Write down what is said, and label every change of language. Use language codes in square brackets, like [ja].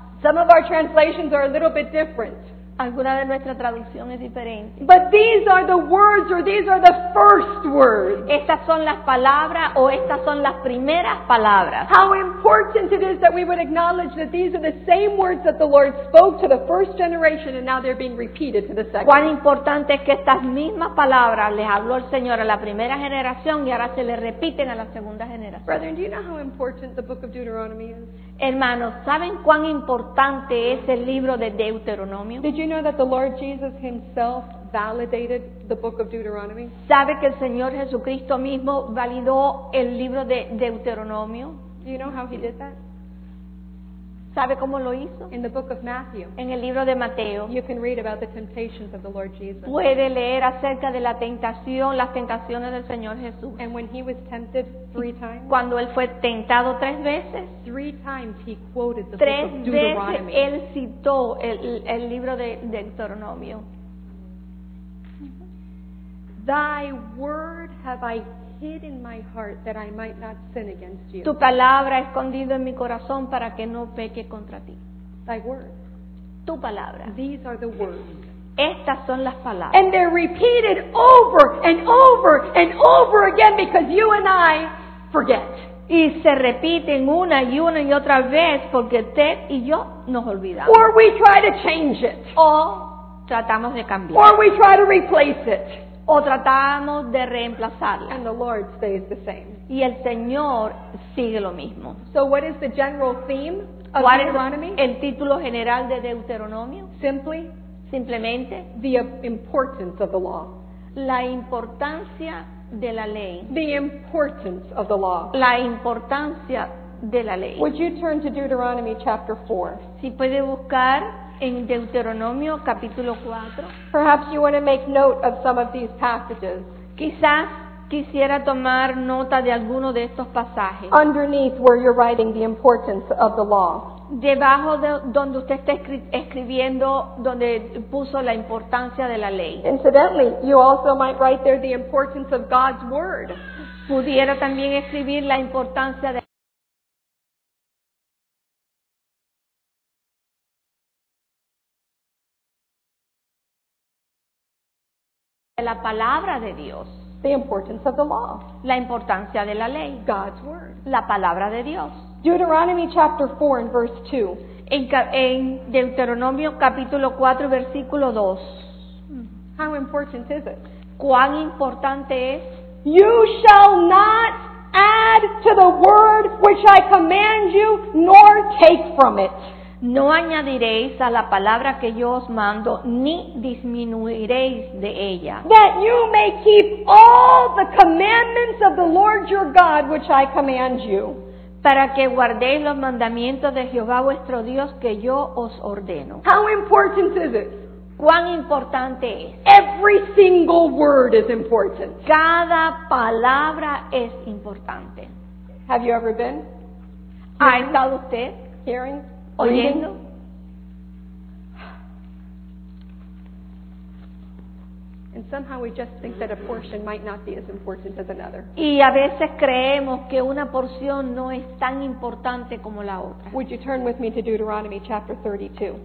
[en] Some of our translations are a little bit different. [es] Alguna de nuestra traducción es diferente. [en] But these are the words, or these are the first words. [es] Estas son las palabras, o estas son las primeras palabras. [en] How important it is that we would acknowledge that these are the same words that the Lord spoke to the first generation, and now they're being repeated to the second. [es] Cuán importante es que estas mismas palabras les habló el Señor a la primera generación y ahora se les repiten a la segunda generación. [en] Brethren, do you know how important the book of Deuteronomy is? [es] Hermanos, ¿saben cuán importante es el libro de Deuteronomio? [en] Did you know that the Lord Jesus himself validated the book of Deuteronomy? [es] ¿Sabe que el Señor Jesucristo mismo validó el libro de Deuteronomio? [en] Do you know how he did that? [es] ¿Sabe cómo lo hizo? [en] In the book of Matthew. [es] En el libro de Mateo. [en] You can read about the temptations of the Lord Jesus. [es] Puede leer acerca de la tentación, las tentaciones del Señor Jesús. [en] And when he was tempted three times. [es] Cuando él fue tentado tres veces. [en] Three times he quoted the book of Deuteronomy. [es] Tres veces él citó el libro de Deuteronomio. [en] Thy word have I hid in my heart that I might not sin against you. [es] Tu palabra escondido en mi corazón para que no peque contra ti. [en] Thy word. [es] Tu palabra. [en] These are the words. [es] Estas son las palabras. [en] And they're repeated over and over and over again because you and I forget. [es] Y se repiten una y otra vez porque usted y yo nos olvidamos. [en] Or we try to change it. [es] O tratamos de cambiar. [en] Or we try to replace it. [es] O tratamos de reemplazarla. [en] And the Lord stays the same. [es] Y el Señor sigue lo mismo. [en] So what is the general theme of Deuteronomy? [es] El título general de Deuteronomio? [en] Simply, [es] simplemente, [en] the importance of the law. [es] La importancia de la ley. [en] The importance of the law. [es] La importancia de la ley. [en] Would you turn to Deuteronomy chapter 4? [es] Si puede buscar en Deuteronomio capítulo 4. [en] Perhaps you want to make note of some of these passages. [es] Quizás quisiera tomar nota de alguno de estos pasajes. [en] Underneath where you're writing the importance of the law. [es] Debajo de donde usted está escribiendo, donde puso la importancia de la ley. [en] Incidentally, you also might write there the importance of God's word. [es] Pudiera también escribir la importancia de la palabra de Dios. [en] The importance of the law. [es] La importancia de la ley. [en] God's word. [es] La palabra de Dios. [en] Deuteronomy chapter 4 and verse 2. [es] En Deuteronomio capítulo 4 versículo 2. [en] How important is it? [es] ¿Cuán importante es? [en] You shall not add to the word which I command you, nor take from it. [es] No añadiréis a la palabra que yo os mando, ni disminuiréis de ella. [en] That you may keep all the commandments of the Lord your God, which I command you. [es] Para que guardéis los mandamientos de Jehová vuestro Dios que yo os ordeno. [en] How important is it? [es] ¿Cuán importante es? [en] Every single word is important. [es] Cada palabra es importante. [en] Have you ever been? [es] ¿Ha estado usted? [en] Hearing? [es] Oyendo. [en] And somehow we just think that a portion might not be as important as another. [es] Y a veces creemos que una porción no es tan importante como la otra. [en] Would you turn with me to Deuteronomy chapter 32?